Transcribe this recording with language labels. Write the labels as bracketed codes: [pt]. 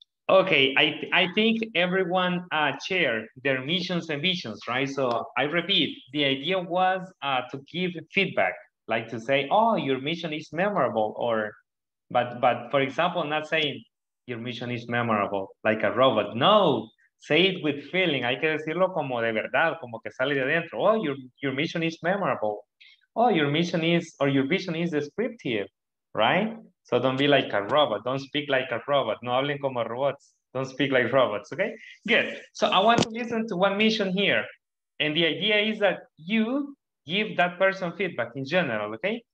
[en] Okay, I think everyone shared their missions and visions, right? So I repeat, the idea was to give feedback, like to say, oh, your mission is memorable, or, but for example, not saying your mission is memorable, like a robot. No, say it with feeling. [es] Hay que decirlo como de verdad, como que sale de adentro. [en] Oh, your mission is memorable. Oh, your mission is, or your vision is descriptive, right? So don't be like a robot. Don't speak like a robot. [es] No hablen como robots. [en] Don't speak like robots, okay? Good. So I want to listen to one mission here. And the idea is that you give that person feedback in general, okay?